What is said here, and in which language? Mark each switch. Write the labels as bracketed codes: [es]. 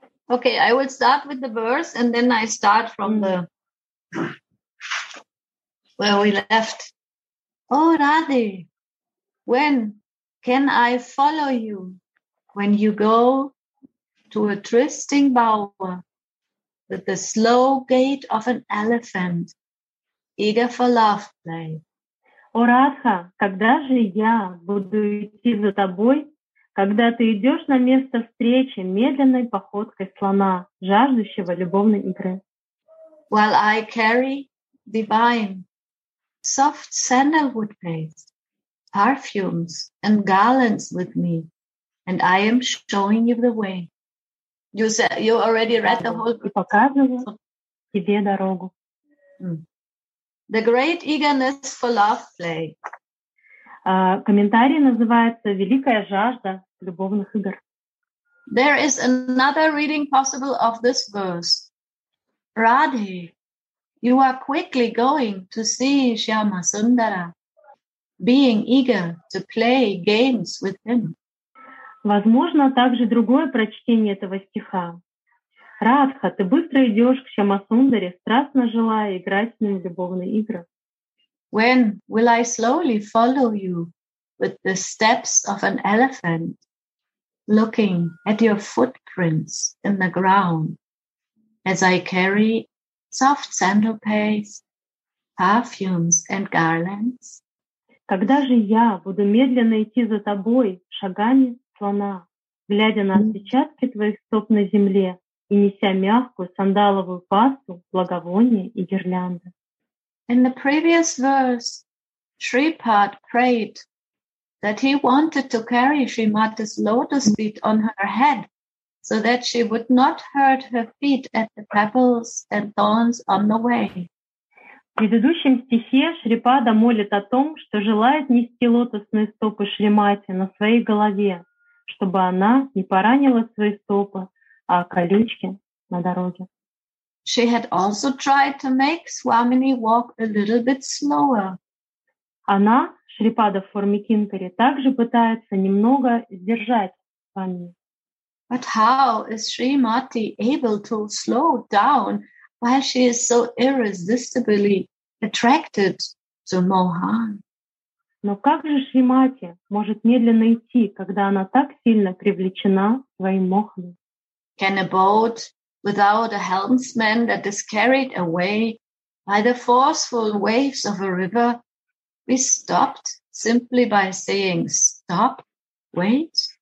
[en] Okay, I will start with the verse and then I start from the where we left. Oh, Radhe, when can I follow you? When you go to a trysting bower with the slow gait of an elephant, eager for love play. [ru] О, Радха, когда же я буду идти за тобой, когда ты идешь на место встречи медленной походкой слона, жаждущего любовной игры? [en] While I carry divine soft sandalwood paste, perfumes and garlands with me, and I am showing you the way. You said you already read the whole book. [ru] Показываю тебе дорогу. [en] The great eagerness for love play. [ru] Комментарий называется «Великая жажда любовных игр». [en] There is another reading possible of this verse. Radhe, you are quickly going to see Shyama Sundara, being eager to play games with him. [ru] Возможно, также другое прочтение этого стиха. Радха, ты быстро идешь к Шамасундаре, страстно желая играть с ним в любовные игры. [en] When will I slowly follow you with the steps of an elephant, looking at your footprints in the ground, as I carry soft sandal paste, perfumes and garlands? [ru] Когда же я буду медленно идти за тобой шагами слона, глядя на отпечатки твоих стоп на земле, и неся мягкую сандаловую пасту, благовоние и гирлянды. [en] In the previous verse, Sripad prayed that he wanted to carry Srimati's lotus feet on her head so that she would not hurt her feet at the pebbles and thorns on the way. [ru] В предыдущем стихе Шрипада молит о том, что желает нести лотосные стопы Шримати на своей голове, чтобы она не поранила свои стопы, а колючки на дороге. [en] She had also tried to make Swamini walk a little bit slower. [ru] Она, Шрипада в форме Кинкари, также пытается немного сдержать Свамини. [en] But how is Srimati able to slow down while she is so irresistibly attracted to Mohan. [ru] Но как же Шримати может медленно идти, когда она так сильно привлечена своим Моханом? [en] Can a boat without a helmsman that is carried away by the forceful waves of a river be stopped simply by saying stop, wait?